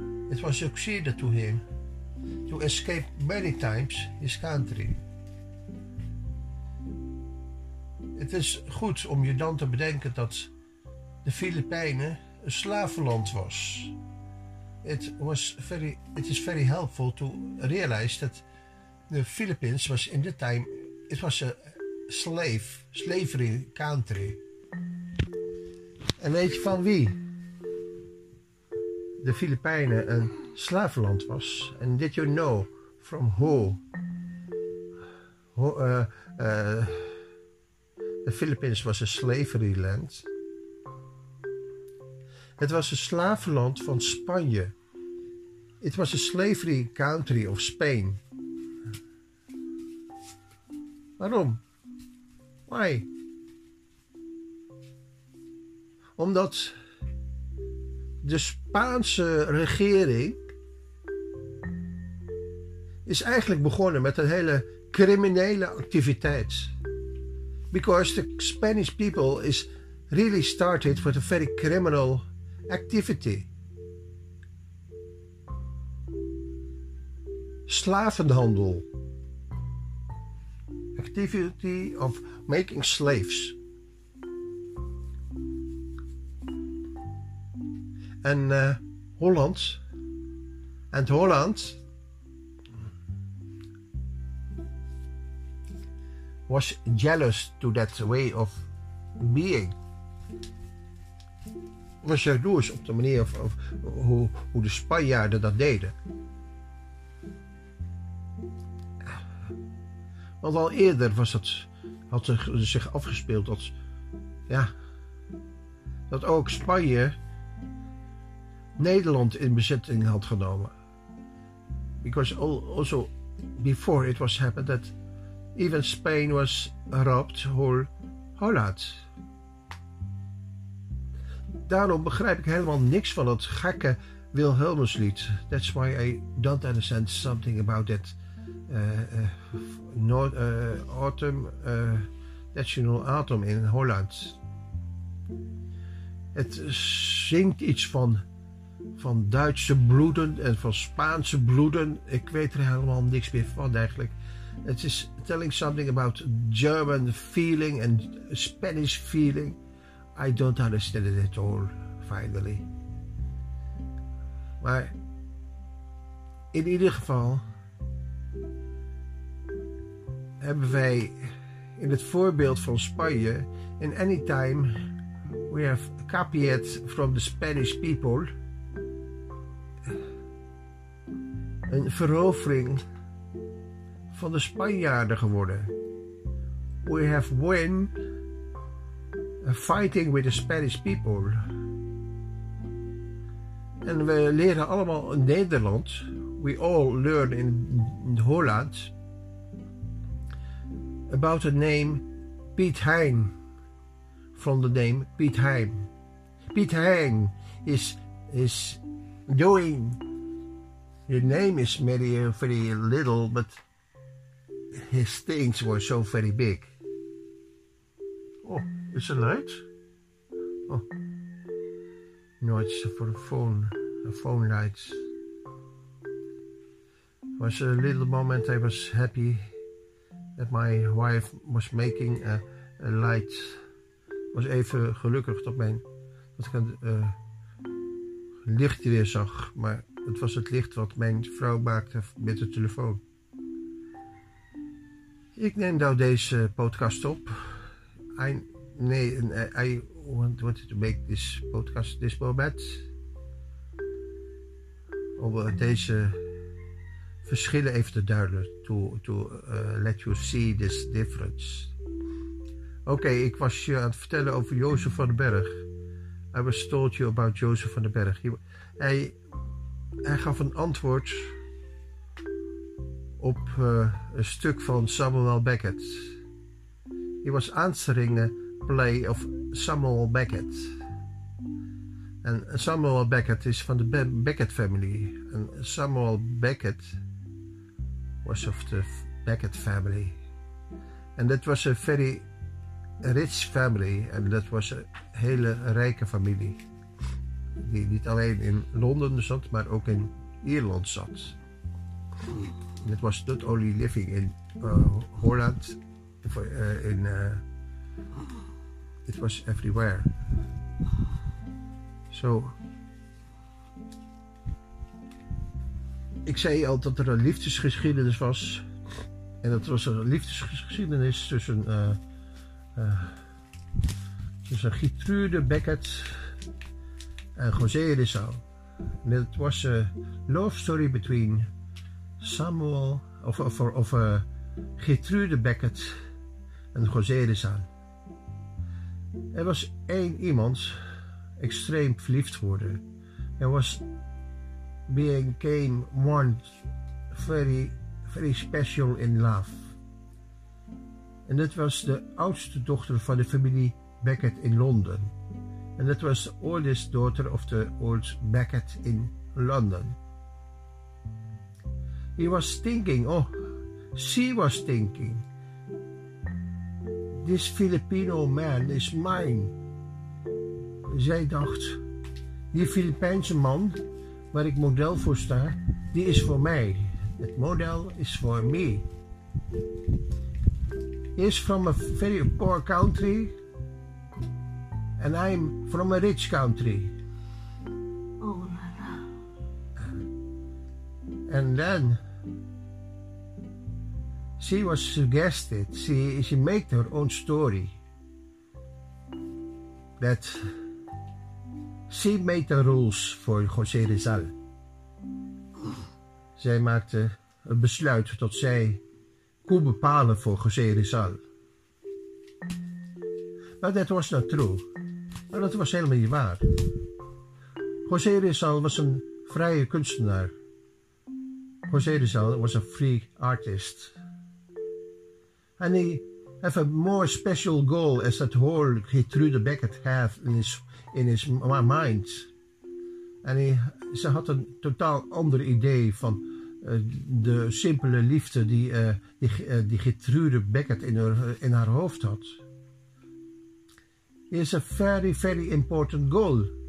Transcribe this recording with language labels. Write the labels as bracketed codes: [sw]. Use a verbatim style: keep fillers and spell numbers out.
[en] It was succeeded to him to escape many times his country. [nl] Het is goed om je dan te bedenken dat de Filipijnen een slavenland was. [en] It was very. It is very helpful to realize that the Philippines was in the time. It was a slave, slavery country. [nl] En weet je van wie de Filipijnen een slavenland was? [en] And did you know from who? who uh, uh, the Philippines was a slavery land. [nl] Het was een slavenland van Spanje. [en] It was a slavery country of Spain. [nl] Waarom? [en] Why? [nl] Omdat de Spaanse regering is eigenlijk begonnen met een hele criminele activiteit. [en] Because the Spanish people is really started with a very criminal activity. [nl] Slavenhandel. [en] Activity of making slaves. [nl] En uh, Holland. En [en] Holland was jealous to that way of being. [nl] Was jaloers op de manier of, of, hoe, hoe de Spanjaarden dat deden. Want al eerder was dat, had er zich afgespeeld dat, ja, dat ook Spanje Nederland in bezetting had genomen. [en] Because also before it was happened that even Spain was robbed whole Holland. [nl] Daarom begrijp ik helemaal niks van dat gekke Wilhelmuslied. [en] That's why I don't understand something about that uh, uh, North, uh, autumn, uh, national autumn in Holland. [nl] Het zingt iets van, van Duitse bloeden en van Spaanse bloeden. Ik weet er helemaal niks meer van eigenlijk. [en] Het is telling something about German feeling and Spanish feeling. I don't understand it at all, finally. [nl] Maar in ieder geval hebben wij in het voorbeeld van Spanje, [en] in any time we have copied from the Spanish people, [nl] een verovering van de Spanjaarden geworden. [en] We have won fighting with the Spanish people. [nl] En we leren allemaal in Nederland. [en] We all learn in Holland about the name Piet Hein. From the name Piet Hein. Piet Hein is, is doing. The name is maybe very little, but his things were so very big. Oh, [nl] is er [en] light? Oh. No, it's for a phone, a phone light. It was a little moment I was happy that my wife was making a, a light. [nl] Ik was even gelukkig dat, mijn, dat ik een uh, licht weer zag, maar het was het licht wat mijn vrouw maakte met de telefoon. Ik neem nou deze podcast op. [en] I, nee, I wanted to make this podcast this moment. [nl] Om deze verschillen even te duiden. [en] To, to uh, let you see this difference. [nl] Oké, okay, ik was je aan het vertellen over Jozef van den Berg. [en] I was told you about Jozef van den Berg. [nl] Hij, hij gaf een antwoord op uh, een stuk van Samuel Beckett. [en] He was answering a play of Samuel Beckett. [nl] En Samuel Beckett is van de Be- Beckett family. [en] En Samuel Beckett was of the Beckett family. [nl] En dat was een [en] very rich family. [nl] En dat was een hele rijke familie. Die niet alleen in Londen zat, maar ook in Ierland zat. [en] It was not only living in uh, Holland. For, uh, in, uh, it was everywhere. [nl] So, ik zei al dat er een liefdesgeschiedenis was. En dat was een liefdesgeschiedenis tussen Uh, Uh, tussen Gertrude Beckett en José Rizal. En het was een [en] love story between [nl] Samuel of, of, of uh, Gertrude Beckett en José Rizal. Er was één iemand extreem verliefd geworden. Er was [en] became one very very special in love. [nl] En dat was de oudste dochter van de familie Beckett in Londen. En dat was [en] the oldest daughter of the old Beckett in London. He was thinking, oh, she was thinking, this Filipino man is mine. [nl] Zij dacht, die Filipijnse man waar ik model voor sta, die is voor mij. Het model is voor me. [en] He is from a very poor country and I'm from a rich country. Oh la la. And then she was suggested, she, she made her own story, that she made the rules for José Rizal. [nl] Zij maakte het besluit dat zij kon bepalen voor José Rizal. Maar dat was [en] not true. [nl] Maar dat was helemaal niet waar. José Rizal was een vrije kunstenaar. [en] José Rizal was a free artist. And he have a more special goal as that whole Gertrude Beckett have in his, in his mind. [nl] En hij, ze had een totaal ander idee van uh, de simpele liefde die, uh, die, uh, die Gertrude Beckett in haar, uh, in haar hoofd had. [en] It is a very, very important goal.